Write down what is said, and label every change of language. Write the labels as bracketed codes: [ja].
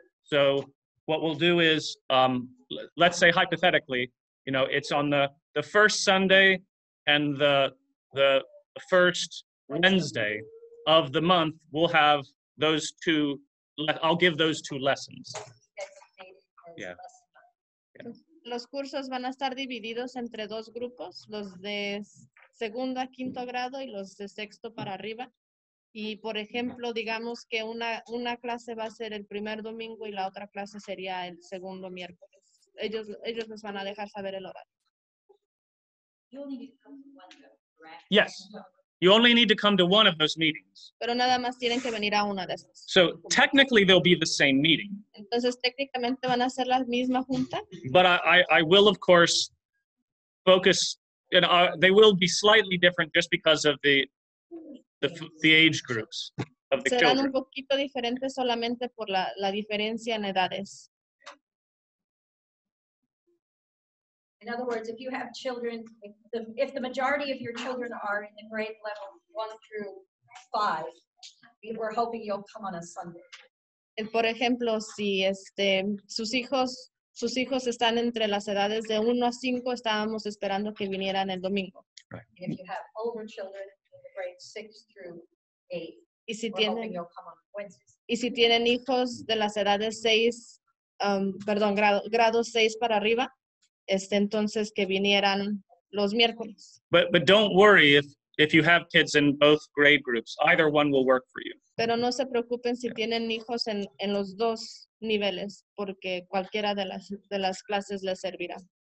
[en] So what we'll do is, let's say hypothetically, it's on the first Sunday and the first Wednesday of the month, we'll have those two, I'll give those two lessons. Yeah. [es] Los cursos van a estar divididos entre dos grupos, los de segundo a quinto grado y los de sexto para arriba. Y por ejemplo, digamos que una clase va a ser el primer domingo y la otra clase sería el segundo miércoles. Ellos nos van a dejar saber el horario. [en] You only need to come to one of them. Yes. You only need to come to one of those meetings. [es] Pero nada más tienen que venir a una de esas. [en] So technically they'll be the same meeting. [es] Entonces técnicamente van a ser la misma junta. [en] But I will of course focus, they will be slightly different just because of the age groups of the children. [es] Serán un poquito diferentes solamente por la diferencia en edades. [en] In other words, if you have children, if the majority of your children are in the grade level 1 through 5, we're hoping you'll come on a Sunday. [es] Por ejemplo, si sus hijos están entre las edades de 1 a 5, estábamos esperando que vinieran el domingo. [en] Right. If you have older children in the grade 6 through 8, we're hoping you'll come on Wednesday. [es] Y si tienen hijos de las edades 6, grado 6 para arriba, entonces que vinieran los miércoles. [en] But don't worry if you have kids in both grade groups. Either one will work for you. [es] Pero no se preocupen si tienen hijos en los dos niveles, porque cualquiera de las clases les servirá.